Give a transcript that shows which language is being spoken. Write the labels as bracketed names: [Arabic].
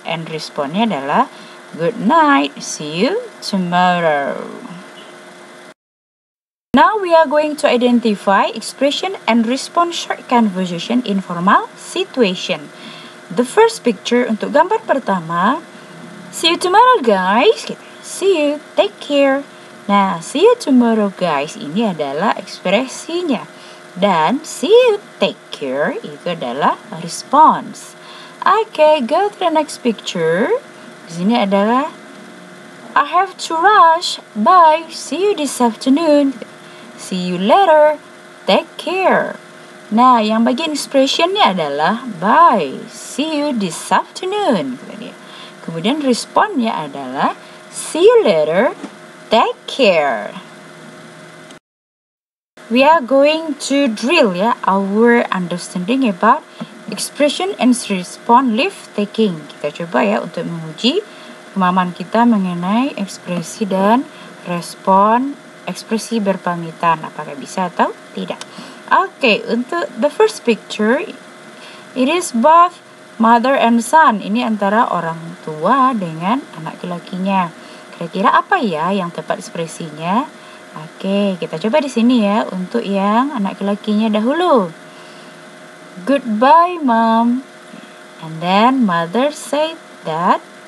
[English] And responnya adalah good night. See you tomorrow. Now we are going to identify expression and response short conversation in formal situation. The first picture [Indonesian] untuk gambar pertama. [English] See you tomorrow, guys. See you. Take care. Nah, see you tomorrow, guys. [Indonesian] Ini adalah ekspresinya. Dan [English] see you, take care, [Indonesian] itu adalah response. [English] Okay, go to the next picture. [Indonesian] Di sini adalah [English] I have to rush. Bye, see you this afternoon. See you later, take care. [Indonesian] Nah, yang bagian expressionnya adalah [English] bye, see you this afternoon. [Indonesian] Kemudian responnya adalah [English] see you later, take care. We are going to drill ya our understanding about expression and response leave taking. [Indonesian] Kita coba ya untuk menguji pemahaman kita mengenai ekspresi dan respon ekspresi berpamitan, apakah bisa atau tidak. [English] Okay, untuk the first picture, it is both mother and son. [Indonesian] Ini antara orang tua dengan anak lakinya. Kira-kira apa ya yang tepat ekspresinya? Okay, kita coba di sini ya untuk yang anak lakinya dahulu. [English] Goodbye, Mom. And then mother said that.